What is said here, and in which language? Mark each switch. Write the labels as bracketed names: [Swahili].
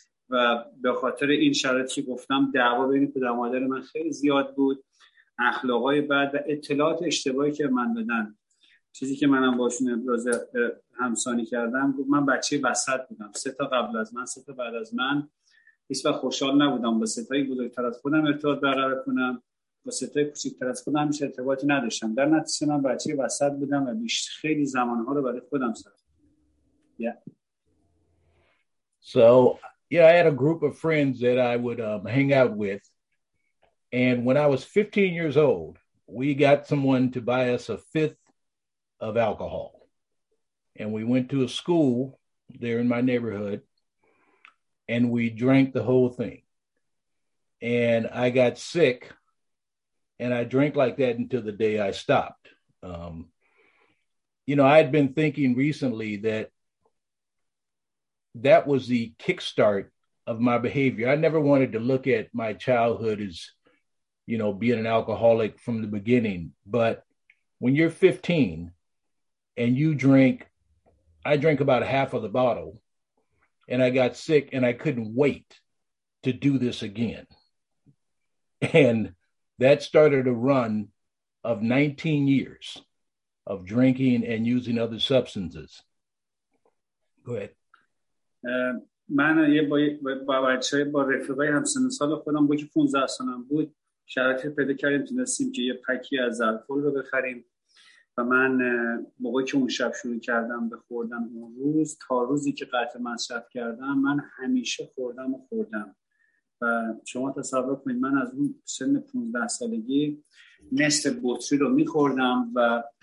[Persian] و به خاطر این شرایطی که گفتم دعوا بین پدر مادر من خیلی زیاد بود، اخلاقای بد و اطلاعات اشتباهی که من دادن، چیزی که منم باشون ابراز همسانی کردم، من بچه وسط بودم، 3 تا قبل از من، 3 تا بعد از من، هیچ وقت خوشحال نبودم با 3 تای بزرگتر از خودم ارتباط برقرار کنم، با 3 تای کوچیک‌تر از خودم هیچ ارتباطی نداشتم. در نتیجه من بچه وسط بودم و بیشتر خیلی زمانها رو برای خودم صرف کردم. [English] So, yeah, I had a group of friends that I would hang out with. And when I was 15 years old, we got someone to buy us a fifth of alcohol. And we went to a school there in my neighborhood and we drank the whole thing. And I got sick and I drank like that until the day I stopped. You know, I had been thinking recently that that was the kickstart of my behavior. I never wanted to look at my childhood as, you know, being an alcoholic from the beginning. But when you're 15 and you drink, I drank about half of the bottle and I got sick and I couldn't wait to do this again. And that started a run of 19 years of drinking and using other substances. Go ahead. [Persian] من یه با رفقای همسن سال خودم با که 15 سالم بود شرایطی پیدا کردیم، تونستیم که یه پکی از الکل رو بخریم و من موقعی که اون شب شروع کردم به خوردن اون روز تا روزی که قطع مصرف کردم من همیشه خوردم و خوردم و شما تصور کنید من از اون سن 15 سالگی نصف بطری رو میخوردم و